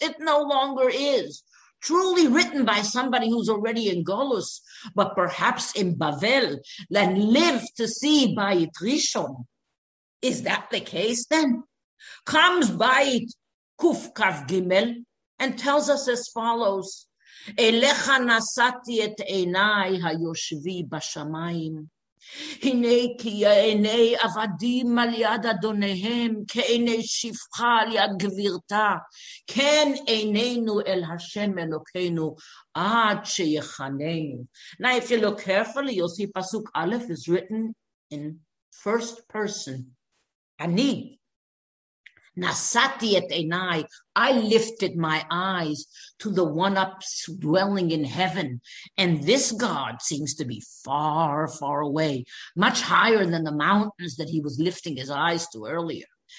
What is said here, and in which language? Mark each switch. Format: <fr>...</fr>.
<en>It no longer is. Truly written by somebody who's already in Golus, but perhaps in Bavel, then live to see Bayit Rishon. Is that the case then? Comes Bayit Kuf Kaf Gimel and tells us as follows.</en> <he>Elecha nasati et einai hayoshvi bashamayim. הנה כי עיני עבדים על יד אדוניהם, כעיני שפחה על יד גבירתה, כן עינינו אל השם אלוקינו עד שיחננו.</he> <en>Now if you look carefully, you'll see פסוק א' is written in first person.</en> <he>אני נשאתי את עיניי,</he> <en>I lifted my eyes to the one up dwelling in heaven, and this God seems to be far, far away, much higher than the mountains that he was lifting his eyes to earlier.</en>